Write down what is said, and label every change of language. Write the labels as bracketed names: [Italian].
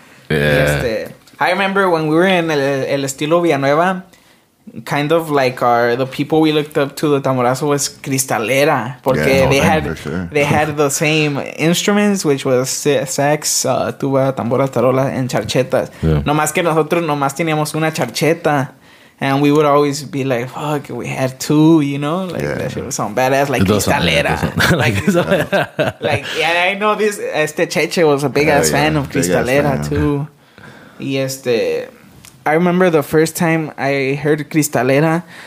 [English] yeah. I remember when we were in El Estilo Villanueva, kind of like our the people we looked up to, the Tamborazo, was Cristalera. [Spanish] Porque [English] yeah, no, they had for sure. They had the same instruments, which was sax, tuba, tambora, tarola, and charchetas. Yeah. [Spanish] No más que nosotros nomás teníamos una charcheta. [English] And we would always be like, fuck, we had two, you know? Like, yeah, that shit was something badass. Like, Cristalera. Like, yeah, I know this. Este Cheche was a big-ass yeah, fan of Cristalera, too. [Spanish] Y este... [English] I remember the first time I heard Cristalera.